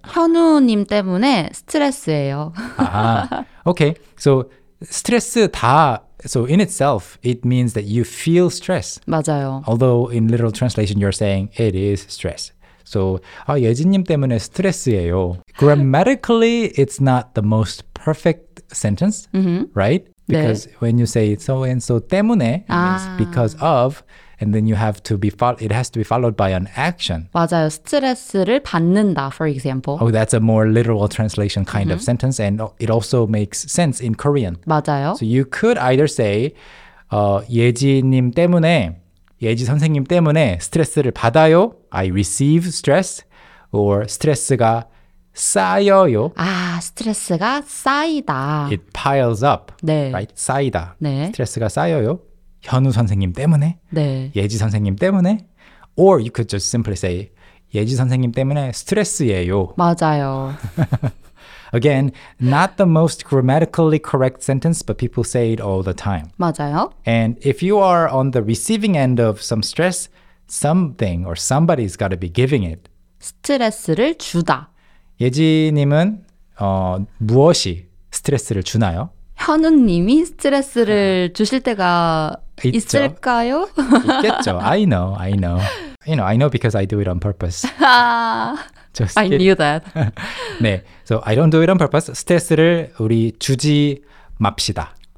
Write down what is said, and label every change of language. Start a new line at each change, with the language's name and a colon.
Korean: 현우님 때문에 스트레스예요. 아하.
English: Okay. So
Korean: 스트레스 다.
English: So in itself, it means that you feel stress.
Korean: 맞아요.
English: Although in literal translation, you're saying it is stress.
Korean: So 아, 예진님 때문에 스트레스예요.
English: Grammatically, it's not the most perfect sentence, right? Because
Korean: 네.
English: when you say so and so 때문에, it means because of, and then you have to be it has to be followed by an action.
Korean: 맞아요. 스트레스를 받는다,
English: for example. Oh, that's a more literal translation kind of sentence, and it also makes sense in Korean.
Korean: 맞아요.
English: So you could either say,
Korean: 예지님 때문에, 예지 선생님 때문에 스트레스를 받아요.
English: I receive stress.
Korean: Or 스트레스가 쌓여요. 아, 스트레스가 쌓이다.
English: It piles up.
Korean: 네.
English: Right? 쌓이다.
Korean: 네. 스트레스가 쌓여요. 현우 선생님 때문에, 네. 예지 선생님 때문에,
English: or you could just simply say
Korean: 예지 선생님 때문에 스트레스예요. 맞아요.
English: Again, not the most grammatically correct sentence, but people say it all the time.
Korean: 맞아요.
English: And if you are on the receiving end of some stress, something or somebody's got to be giving it.
Korean: 스트레스를 주다. 예지님은 무엇이 스트레스를 주나요? 현우님이 스트레스를 주실 때가 있죠? 있을까요? 있겠죠.
English: I know, I know. You know, I know because I do it on purpose. Just I knew that. 네, so I don't do it on purpose.
Korean: 스트레스를 우리 주지 맙시다.